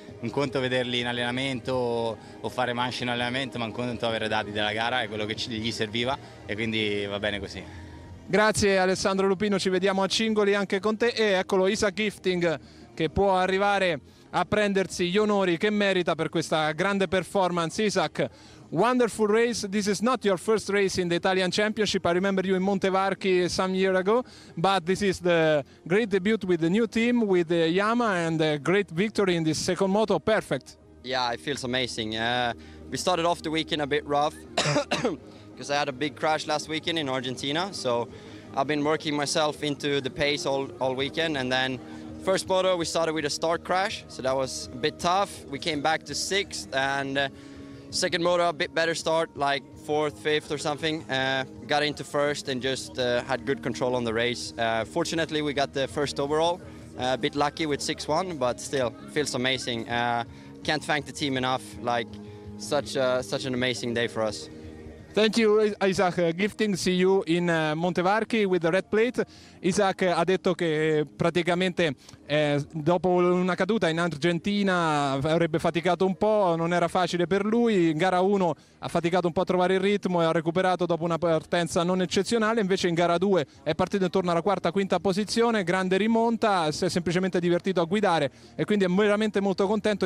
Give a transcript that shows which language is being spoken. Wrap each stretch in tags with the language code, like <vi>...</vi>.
<it>Un conto vederli in allenamento o fare manche in allenamento, ma un conto avere dati della gara, è quello che gli serviva, e quindi va bene così. Grazie Alessandro Lupino, ci vediamo a Cingoli anche con te. E eccolo Isa Gifting che può arrivare a prendersi gli onori che merita per questa grande performance.</it> <en>Isaac, wonderful race. This is not your first race in the Italian Championship. I remember you in Montevarchi some year ago, but this is the great debut with the new team, with Yama, and a great victory in this second moto. Perfect. Yeah, it feels amazing. We started off the weekend a bit rough because I had a big crash last weekend in Argentina. So I've been working myself into the pace all weekend, and then first moto we started with a start crash, so that was a bit tough. We came back to sixth, and second moto a bit better start, like fourth, fifth or something. Got into first and just had good control on the race. Fortunately we got the first overall, a bit lucky with 6-1, but still feels amazing. Can't thank the team enough, like such an amazing day for us. Thank you, Isaac Gifting. See you in Montevarchi with the red plate.</en> <it>Isaac ha detto che praticamente dopo una caduta in Argentina avrebbe faticato un po', non era facile per lui. In gara 1 ha faticato un po' a trovare il ritmo e ha recuperato dopo una partenza non eccezionale. Invece in gara 2 è partito intorno alla quarta, quinta posizione, grande rimonta, si è semplicemente divertito a guidare e quindi è veramente molto contento.</it>